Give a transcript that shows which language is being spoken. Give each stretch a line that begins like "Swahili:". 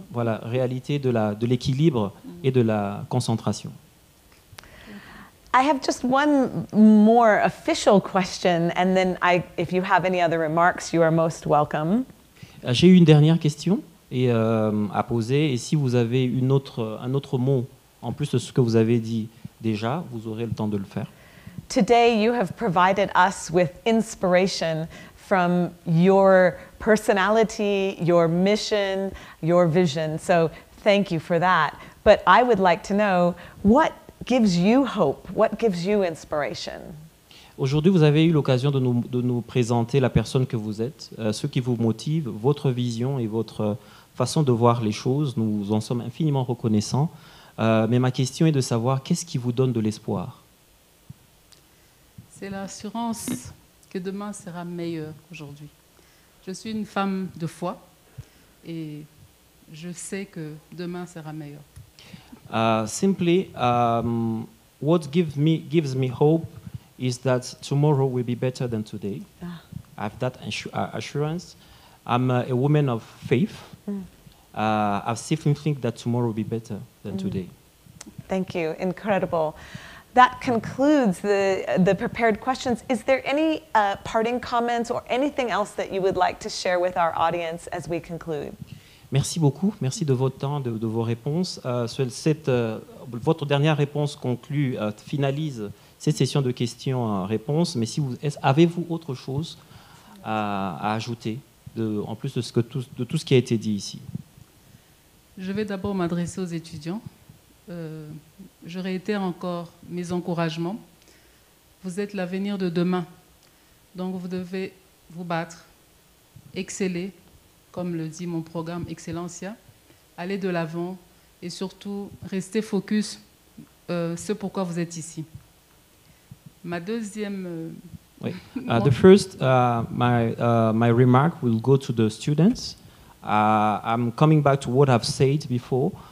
French: Ou voilà réalité de l'équilibre et de la concentration.
English: I have just one more official question, and then if you have any other remarks, you are most welcome.
French: J'ai une dernière question à poser, et si vous avez un autre mot en plus de ce que vous avez dit déjà, vous aurez le temps de le faire.
English: Today, you have provided us with inspiration from your personality, your mission, your vision. So thank you for that. But I would like to know, what gives you hope? What gives you inspiration?
French: Aujourd'hui, vous avez eu l'occasion de nous présenter la personne que vous êtes, ce qui vous motive, votre vision et votre façon de voir les choses. Nous en sommes infiniment reconnaissants. Mais ma question est de savoir, qu'est-ce qui vous donne de l'espoir? C'est l'assurance que demain sera meilleur qu'aujourd'hui. Je suis une femme de foi et je sais que demain sera meilleur.
English: Simply, what gives me hope is that tomorrow will be better than today. Ah. I have that assurance. I'm a woman of faith. I simply think that tomorrow will be better than today. Thank you. Incredible. That concludes the prepared questions. Is there any parting comments or anything else that you would like to share with our audience as we conclude?
French: Merci beaucoup. Merci de votre temps, de vos réponses. Votre dernière réponse finalise cette session de questions-réponses. Mais avez-vous autre chose à ajouter en plus de tout ce qui a été dit ici? Je vais d'abord m'adresser aux étudiants. Je réitère encore mes encouragements. Vous êtes l'avenir de demain, donc vous devez vous battre, exceller, comme le dit mon programme Excellencia, aller de l'avant et surtout rester focus ce pourquoi vous êtes ici. Ma deuxième. Oui.
English: The first, my remark will go to the students. I'm coming back to what I've said before.